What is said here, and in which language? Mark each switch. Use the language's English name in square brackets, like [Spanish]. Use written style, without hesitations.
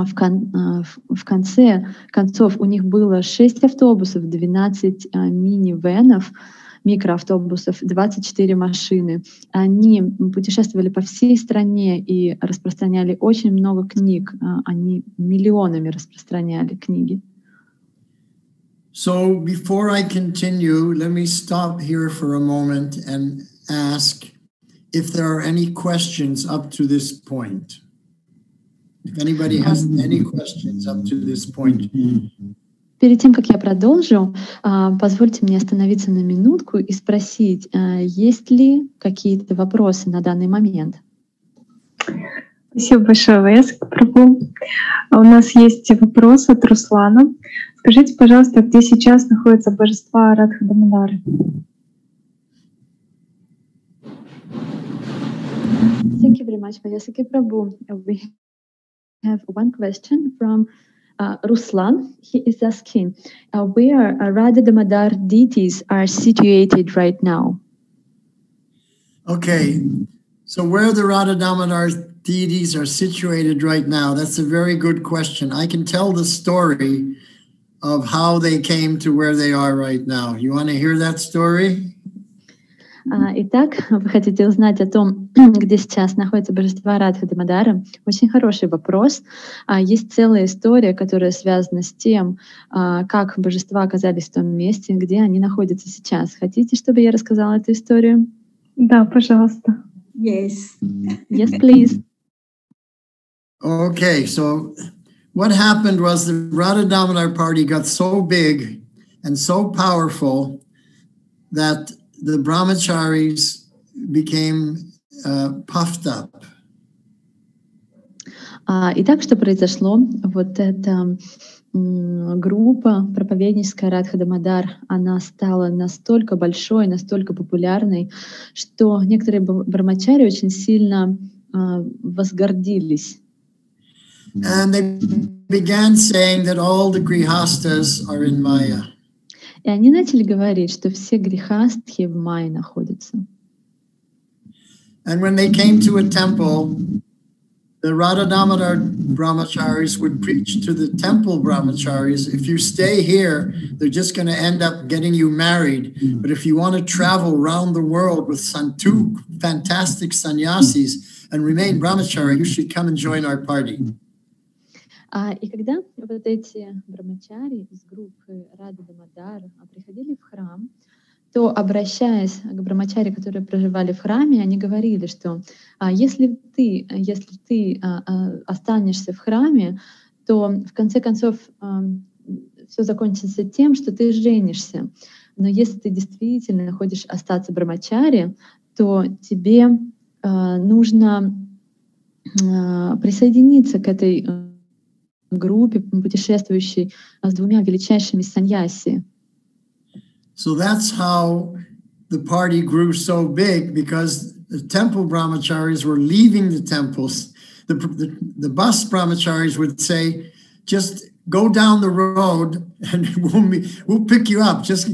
[Russian] В конце концов у них было 6 автобусов, 12 минивэнов, микроавтобусов, 24 машины. Они путешествовали по всей стране и распространяли очень много книг. Они миллионами распространяли книги. [English] So before I continue, let me stop here for a moment and ask if there are any questions up to this point. If anybody has any questions up to this point. [Russian] Перед тем, как я продолжу, позвольте мне остановиться на минутку и спросить, есть ли какие-то вопросы на данный момент? Спасибо большое, Ваяска Прабху. У нас есть вопрос от Руслана. Скажите, пожалуйста, где сейчас находятся божества Радха Дамодары? Спасибо большое, Ваяска Прабху. [English] We have one question from Ruslan, he is asking, where Radha Damodar deities are situated right now? Okay, so where the Radha Damodar deities are situated right now, that's a very good question. I can tell the story of how they came to where they are right now. You want to hear that story? [Russian] Итак, вы хотите узнать о том, где сейчас находится божество Радха Дамодара? Очень хороший вопрос. Есть целая история, которая связана с тем, как божества оказались в том месте, где они находятся сейчас. Хотите, чтобы я рассказала эту историю? Да, пожалуйста. [English] Yes. Yes, please. Okay, so what happened was the Radha Dhamadar party got so big and so powerful that the brahmacharis became puffed up. [Russian] Итак, что произошло? Вот эта группа проповедническая Радха Дамодар, она стала настолько большой, настолько популярной, что некоторые брахмачари очень сильно возгордились. [English] And they began saying that all the grihastas are in Maya. [Russian] И они начали говорить, что все грехастхи в Майе находятся. [English] And when they came to a temple, the Radha-damodar brahmacharis would preach to the temple brahmacharis, if you stay here, they're just going to end up getting you married. But if you want to travel around the world with two fantastic sannyasis and remain brahmachari, you should come and join our party. [Russian] И когда вот эти брахмачари из группы Радха-дамодар приходили в храм, то, обращаясь к брахмачари, которые проживали в храме, они говорили, что если ты останешься в храме, то в конце концов все закончится тем, что ты женишься. Но если ты действительно хочешь остаться брахмачари, то тебе нужно присоединиться к этой группе путешествующей с двумя величайшими саньяси. [English] So that's how the party grew so big, because the temple brahmacharis were leaving the temples. The bus brahmacharis would say, just go down the road and we'll pick you up.